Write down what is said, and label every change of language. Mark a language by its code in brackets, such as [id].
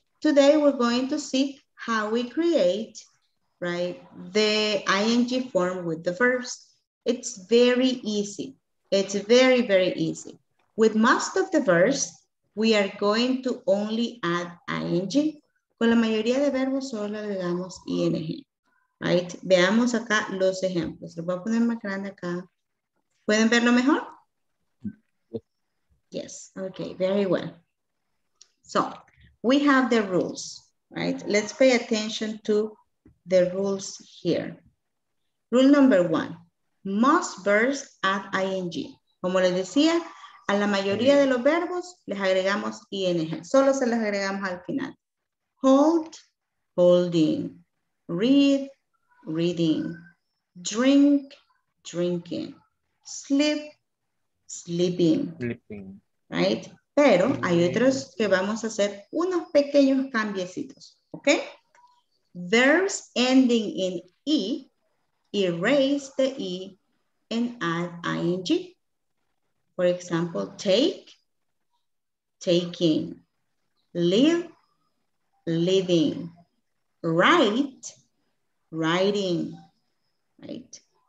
[en] Today, we're going to see how we create, right, the ing form with the verbs. It's very easy. It's very, very easy. With most of the verbs, we are going to only add ing. [es] Con la mayoría de verbos, solo le damos ing. [en] Right? [es] Veamos acá los ejemplos. Lo voy a poner más grande acá. ¿Pueden verlo mejor? [en] Yes. Okay, very well. So, we have the rules, right? Let's pay attention to the rules here. Rule number one, most verbs add ing. [es] Como les decía, a la mayoría de los verbos les agregamos ing. Solo se les agregamos al final. [en] Hold, holding. Read, reading. Drink, drinking. Sleep, sleeping. Sleeping. Right? [es] Pero hay otros que vamos a hacer unos pequeños cambiecitos. [en] ¿Ok? Verbs ending in E, erase the E and add ing. For example, take, taking. Live, living. Write, writing. Right.